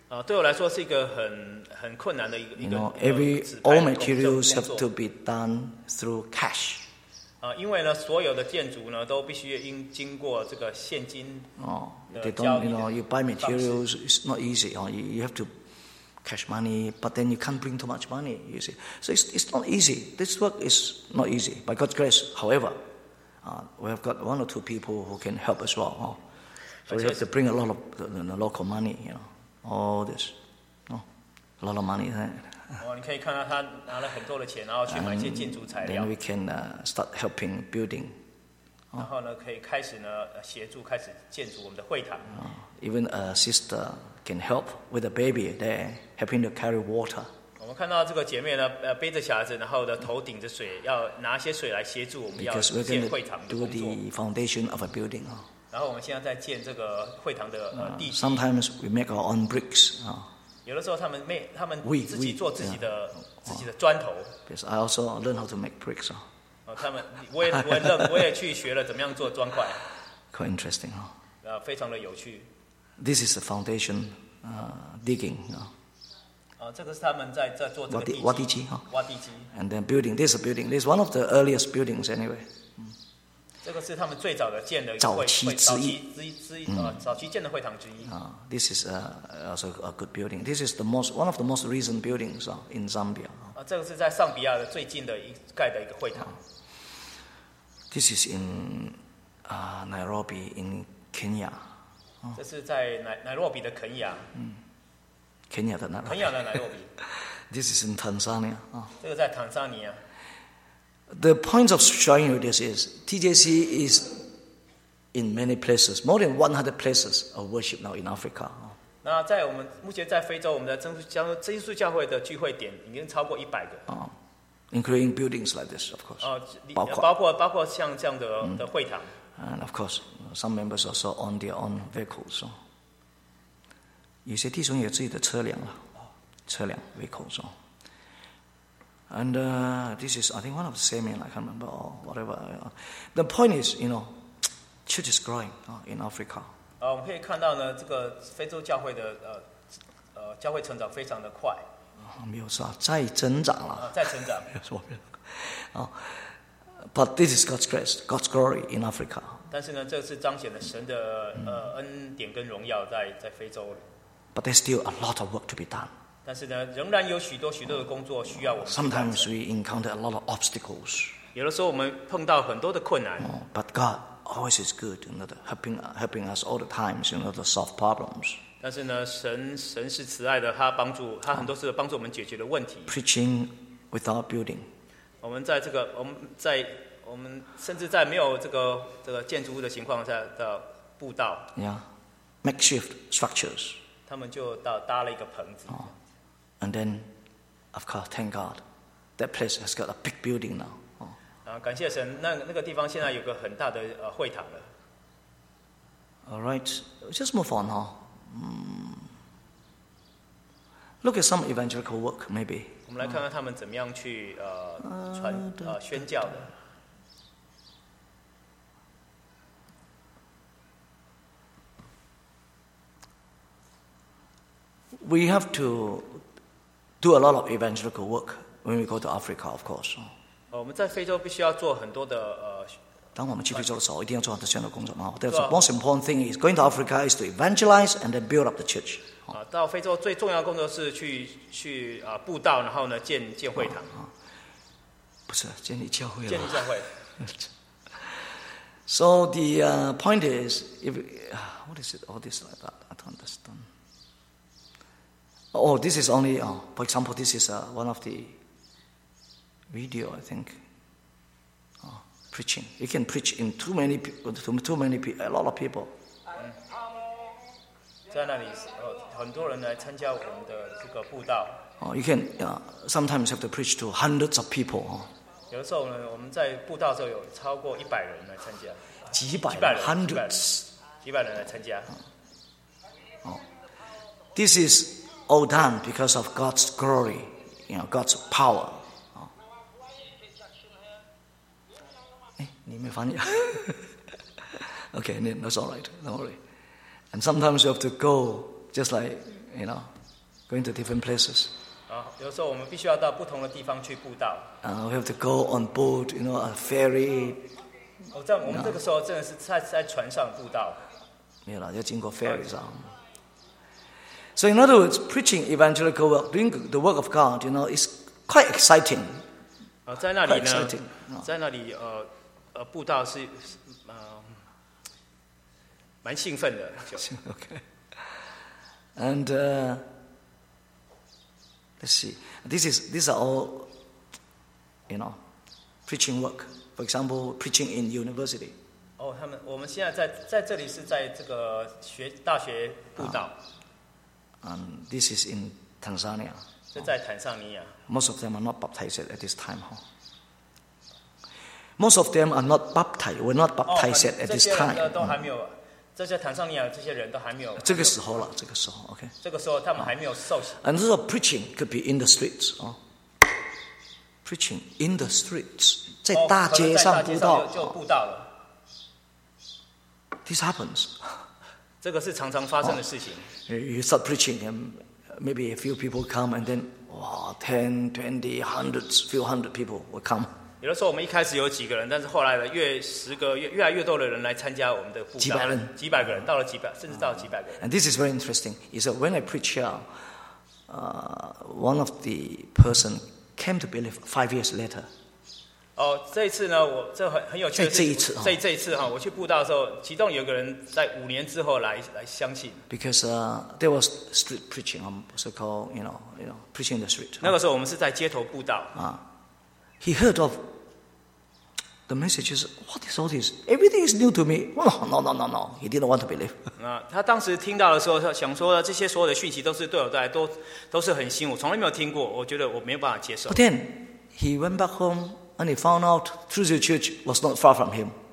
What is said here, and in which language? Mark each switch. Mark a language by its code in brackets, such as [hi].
[zh] 对我来说是一个很困难的一个。 [en] You know, all materials have to be done through cash. [zh] 因为呢，所有的建筑呢都必须经过这个现金的交易的方式。 [en] You know, you buy materials, it's not easy. You have to cash money, but then you can't bring too much money. You see, so it's not easy. This work is not easy. By God's grace, however, we have got one or two people who can help as well. So we have to bring a lot of the local money, you know, all this, a lot of money, right? [zh] 你可以看到他拿了很多的钱，然后去买一些建筑材料。 [en] Then we can start helping building. [zh] 然后呢，可以开始呢协助开始建筑我们的会堂。 [en] Even a sister can help with a baby there, helping to carry water. [zh] 我们看到这个姐妹呢，背着小孩子，然后的头顶着水，要拿些水来协助我们要建会堂的工作。 [en] Because we're going to do the foundation of a building. [zh] 然后我们现在在建这个会堂的地基。 [en] Sometimes we make our own bricks. [zh] 有的时候他们自己做自己的砖头。 [en] Yes, I also learn how to make bricks. [zh] 我也去学了怎么样做砖块。 [en] Quite interesting. [zh] 非常的有趣。 [en] This is the foundation digging. [zh] 这个是他们在做这个地基。挖地基。 [en] And then building. This is a building. This is one of the earliest buildings anyway. [zh] 这个是他们最早的建的会早期建的会堂之一。 [en] This is also a good building. This is one of the most recent buildings in Zambia. [zh] 这个是在桑比亚的最近的一个会堂。 [en] This is in Nairobi in Kenya. [zh] 这是在乃若比的肯亚。嗯，肯亚的乃若比。 [en] This is in Tanzania. [zh] 这个在坦桑尼亚。 [en] The point of showing you this is TJC is in many places, more than 100 places of worship now in Africa. [zh] 那在我们目前在非洲，我们的真耶稣教会的聚会点已经超过100个。 [en] Including buildings like this, of course. [zh] 包括像这样的会堂。 [en] And of course, some members also own their own vehicles. [zh] So, 有些弟兄有自己的车辆了，车辆 vehicles. [en] So, and this is, I think, one of the seminars. I can't remember or whatever. The point is, you know, church is growing in Africa. [zh] 我们可以看到呢，这个非洲教会的教会成长非常的快。没有错，在增长了。在增长。没有错，没有错。 [en] But this is God's grace, God's glory in Africa. [zh] 但是呢，这是彰显了神的恩典跟荣耀在非洲。 [en] But there's still a lot of work to be done. [zh] 但是呢，仍然有许多许多的工作需要我们。 [en] Sometimes we encounter a lot of obstacles. [zh] 有的时候我们碰到很多的困难。 [en] But God always is good, you know, helping us all the times, you know, to solve problems. [zh] 但是呢，神是慈爱的，他很多次帮助我们解决的问题。 [en] Preaching without building. [zh] 我们在这个，我们甚至在没有这个建筑物的情况下的步道 [en] ，makeshift structures， [zh] 他们就搭了一个棚子。 [en] And then, of course, thank God, that place has got a big building now. [zh] 感谢神，那个地方现在有个很大的会堂了。 [en] All right, just move on, Look at some evangelical work, maybe. [zh] 我们来看看他们怎么样去传宣教的。 [en] We have to do a lot of evangelical work when we go to Africa, of course. [zh] 我们在非洲必须要做很多的当我们去非洲的时候，一定要做很多宣教工作嘛。 [en] That's the most important thing is going to Africa is to evangelize and then build up the church. [zh] 到非洲最重要的工作是去布道，然后呢建会堂。不是建立教会了。建立教会。 [en] So the point is, what is it? All this like that? I don't understand. Oh, this is only. For example, this is one of the video, I think. Preaching. You can preach in too many people, a lot of people. [zh] 在那里，很多人来参加我们的这个布道。 [en] You can sometimes have to preach to hundreds of people. [zh] 有的时候呢，我们在布道的时候有超过100人来参加。几百人来参加。 [en] This is all done because of God's glory, you know, God's power. [zh] 你没翻译 [en] OK, that's all right, don't worry. And sometimes you have to go, just like, you know, going to different places. [zh] 有时候我们必须要到不同的地方去布道。 [en] We have to go on boat, you know, a ferry. [zh] 我们这个时候真的是在船上布道。没有啦，要经过 ferry 上。 [en] So in other words, preaching evangelical work, doing the work of God, you know, is quite exciting. [zh] 在那里呢， exciting,在那里步道是蛮兴奋的。 [en] Okay. And let's see. These are all, you know, preaching work. For example, preaching in university. [zh] 我们现在在这里是在这个大学步道。 [en] This is in Tanzania. [zh] 这在坦桑尼亚。 [en] Most of them are not baptized at this time, huh? Most of them are not baptized. We're not baptized at this time. [zh] 都还没有，这些坦桑尼亚这些人都还没有。这个时候了，这个时候 ，OK。这个时候他们还没有受洗。 [en] And this preaching could be in the streets. Preaching in the streets, [zh] 在大街上布道。就布道了。 [en] This happens. [zh] 这个是常常发生的事情。 [en] You start preaching, and maybe a few people come, and then, ten, twenty, hundreds, few hundred people will come. [zh] 有的时候我们一开始有几个人，但是后来呢，越来越多的人来参加我们的布道，几百人，几百个人，到了几百，甚至到了几百个人。 [en] And this is very interesting. Is that when I preach here, one of the person came to believe 5 years later. [zh] 哦，这一次呢，我这 很有趣的是。这一次、哦、我去布道的时候，其中有个人在五年之后 来相信。 [en] Because there was street preaching, so called you know preaching in the street. [zh] 那个时候我们是在街头布道。 [en] 啊、He heard of the messages. What is all this? Everything is new to me. No. He didn't want to believe. [zh] 那他当时听到的时候，他想说这些所有的讯息都是对我带来，都是很新，我从来没有听过，我觉得我没有办法接受。 [en] But then he went back home. And he found out True Church was not far from him.